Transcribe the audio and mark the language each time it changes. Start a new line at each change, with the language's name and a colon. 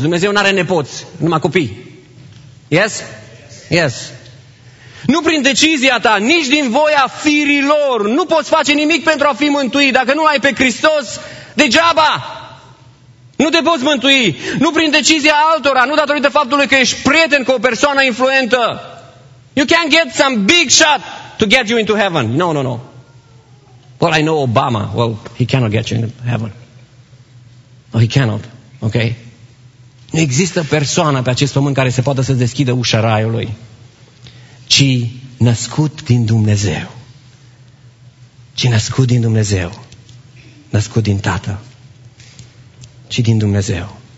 Romanian: Dumnezeu n-are nepoți, numai copii.
English: Yes? Yes.
Romanian: Nu prin decizia ta, nici din voia firilor. Nu poți face nimic pentru a fi mântuit. Dacă nu l-ai pe Hristos, degeaba. Nu te poți mântui. Nu prin decizia altora, nu datorită faptului că ești prieten cu o persoană influentă.
English: You can't get some big shot to get you into heaven. No. Well, I know Obama. Well, he cannot get you into heaven. No, he cannot. Ok?
Romanian: Nu există persoană pe acest pământ care se poată să deschidă ușa raiului, ci născut din Dumnezeu. Ci născut din Dumnezeu. Născut din Tată. Ci din Dumnezeu.